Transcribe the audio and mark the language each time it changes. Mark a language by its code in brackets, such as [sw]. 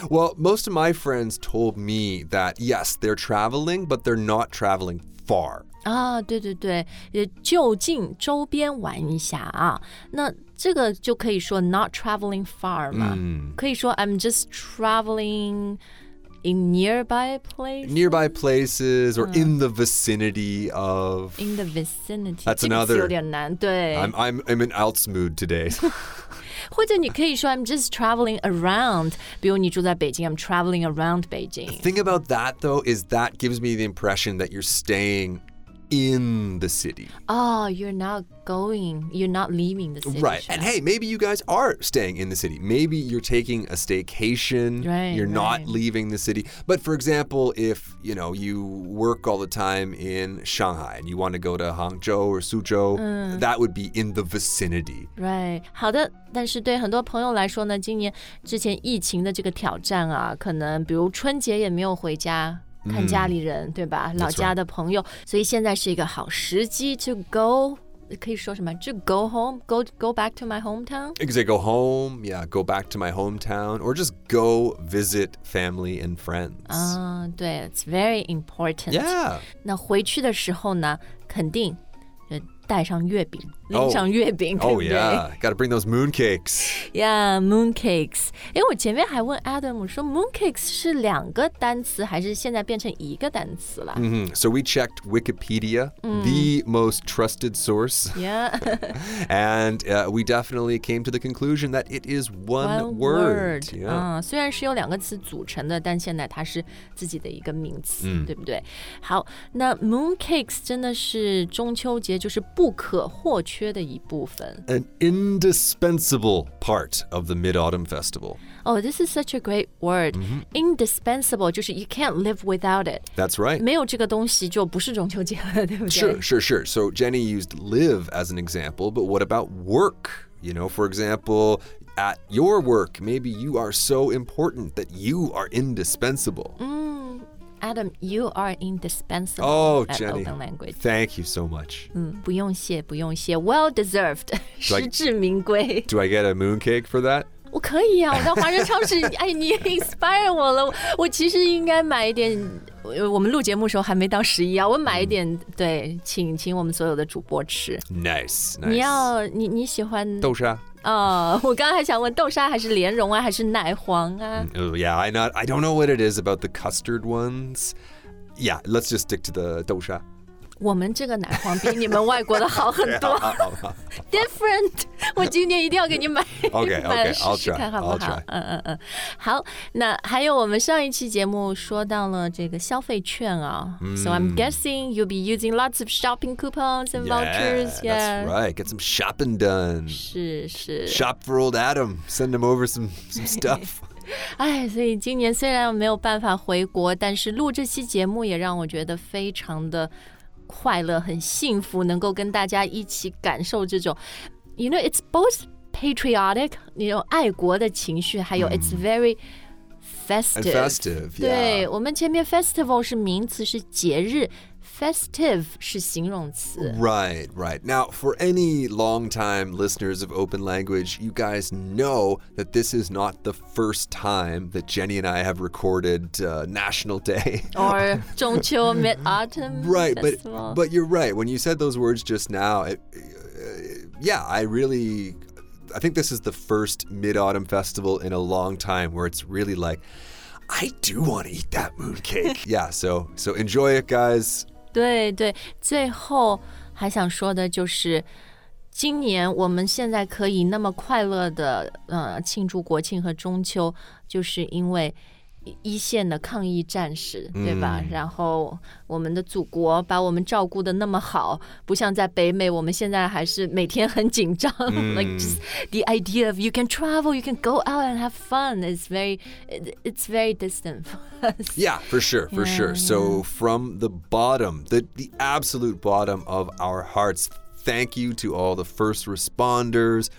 [en] Well, most of my friends told me that yes, they're traveling, but they're not traveling far. [zh] 啊，对对对，也就近周边玩一下啊。那这个就可以说 [en] not traveling far [zh] 嘛，可以说 [en] I'm just traveling in nearby places. Nearby places or in the vicinity of. In the vicinity. That's another. [zh] 有点难，对。 [en] I'm in Alt's mood today. [zh] 或者你可以说 [en] I'm just traveling around. [zh] 比如你住在北京 [en] I'm traveling around Beijing. The thing about that though is that gives me the impression that you're staying in the city. Oh, you're not going, you're not leaving the city. Right. And hey, maybe you guys are staying in the city. Maybe you're taking a staycation. Right. You're not leaving the city. But for example, if, you know, you work all the time in Shanghai and you want to go to Hangzhou or Suzhou, that would be in the vicinity. Right. [zh] 好的。但是对很多朋友来说呢，今年之前疫情的这个挑战啊，可能比如春节也没有回家看家里人，对吧？老家的朋友，所以现在是一个好时机 [en] to go, [zh] 可以说什么？ [en] To go home, go back to my hometown? You can say go home, yeah, go back to my hometown, or just go visit family and friends. 对, it's very important. Yeah. [zh] 那回去的时候呢，肯定带上月饼，拎上月饼。 [en] Oh yeah, gotta bring those mooncakes. Yeah, mooncakes. [zh] 诶，我前面还问 Adam, 我说 mooncakes 是两个单词，还是现在变成一个单词了？ [en] Mm-hmm. So we checked Wikipedia, the most trusted source. Yeah. And we definitely came to the conclusion that it is one word. Yeah. [zh] 虽然是由两个词组成的，但现在它是自己的一个名词，对不对？好，那 mooncakes 真的是中秋节就是不可或缺的一部分。 [en] An indispensable part of the Mid-Autumn Festival. Oh, this is such a great word. Indispensable, 就是 you can't live without it. That's right. [zh] 没有这个东西就不是中秋节了，对不对？ [en] Sure. So Jenny used live as an example, but what about work? You know, for example, at your work, maybe you are so important that you are indispensable. Adam, you are indispensable at Jenny, Open Language. Thank you so much. [zh] 不用谢，不用谢。 [en] Well deserved, [zh] 实至名归。 [en] Do I get a mooncake for that? [zh] 我可以啊，我在华人超市，哎，你 inspire 我了。我其实应该买一点，我们录节目的时候还没到十一啊，我买一点，对，请我们所有的主播吃。 [en] Nice. [zh] 你喜欢豆沙？我刚才想问豆沙还是莲蓉啊还是奶黄啊。 [en] I don't know what it is about the custard ones. Yeah, let's just stick to the 豆沙。 [zh] 我们这个奶黄比你们外国的好很多。 Different! 我今年一定要给你买。 [en] OK, I'll try. [zh] 好，那还有我们上一期节目说到了这个消费券啊。 [en] So I'm guessing you'll be using lots of shopping coupons and vouchers. Yeah, that's right. Get some shopping done. [zh] 是。 [en] Shop for old Adam. Send him over some stuff. [zh] 哎，所以今年虽然没有办法回国，但是录这期节目也让我觉得非常的快乐，很幸福，能够跟大家一起感受这种 ， [en] you know, it's both patriotic, [zh] 那种爱国的情绪，还有 [en] it's very festive. And festive, yeah. [zh] 对，我们前面 festival 是名词，是节日。Festive 是形容词。 [en] Right. Now, for any long-time listeners of Open Language, you guys know that this is not the first time that Jenny and I have recorded National Day. Or 中秋 Mid-Autumn Festival. Right, but you're right. When you said those words just now, I think this is the first Mid-Autumn Festival in a long time where it's really like, I do want to eat that mooncake. Yeah, so enjoy it, guys. [zh] 对，最后还想说的就是，今年我们现在可以那么快乐的庆祝国庆和中秋，就是因为一线的抗疫战士，对吧？然后我们的祖国把我们照顾的那么好，不像在北美，我们现在还是每天很紧张。 [en] Like just the idea of you can travel, you can go out and have fun is very distant for us. Yeah, for sure. So from the bottom, the absolute bottom of our hearts. Thank you to all the first responders.